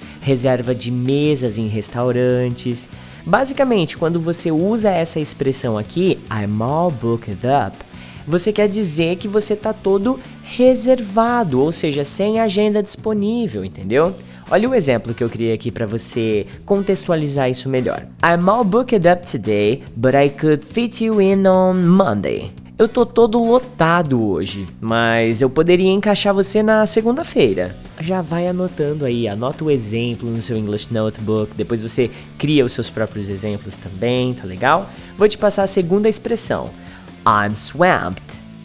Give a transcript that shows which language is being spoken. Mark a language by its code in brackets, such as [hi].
[pt] Reserva de mesas em restaurantes. Basicamente, quando você usa essa expressão aqui, [en] I'm all booked up, [pt] você quer dizer que você tá todo reservado, ou seja, sem agenda disponível, entendeu? Olha o exemplo que eu criei aqui pra você contextualizar isso melhor. [en] I'm all booked up today, but I could fit you in on Monday. [pt] Eu tô todo lotado hoje, mas eu poderia encaixar você na segunda-feira. Já vai anotando aí, anota o exemplo no seu English Notebook, depois você cria os seus próprios exemplos também, tá legal? Vou te passar a segunda expressão. [en] I'm swamped.